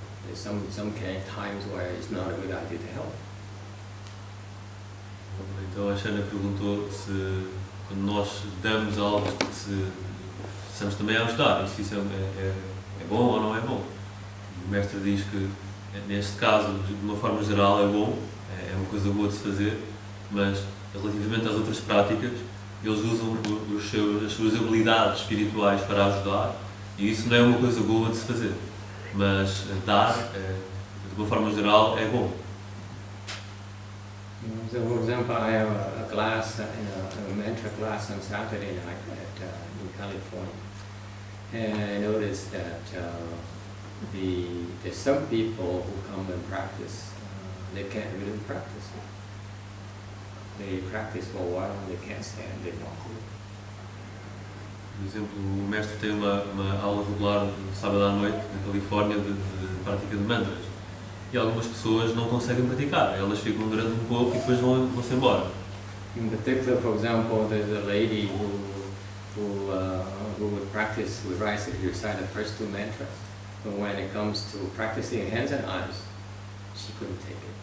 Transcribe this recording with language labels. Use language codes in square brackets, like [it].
[en] There's some kind of times where it's not a good idea to help. [pt] Então a Shana perguntou se quando nós damos algo, se estamos também a ajudar, se isso é bom ou não é bom. O mestre diz que neste caso, de uma forma geral, é bom, é uma coisa boa de se fazer, mas relativamente às outras práticas, eles usam as suas habilidades espirituais para ajudar e isso não é uma coisa boa de se fazer. Mas dar, de uma forma geral, é bom. [en] So, for example, I have a class, a mentor class on Saturday night in California. And I noticed that there's some people who come and practice, they can't really practice. They practice for a while, they can't stand, they walk away. [pt] Por exemplo, o mestre tem uma aula regular sábado à noite na Califórnia de prática de mantras. E algumas pessoas não conseguem praticar, elas ficam durante um pouco e depois vão-se embora. [en] In particular, for example, there's a lady who would practice with rice if you recite the first two mantras. But when it comes to practicing hands and eyes, she couldn't take it.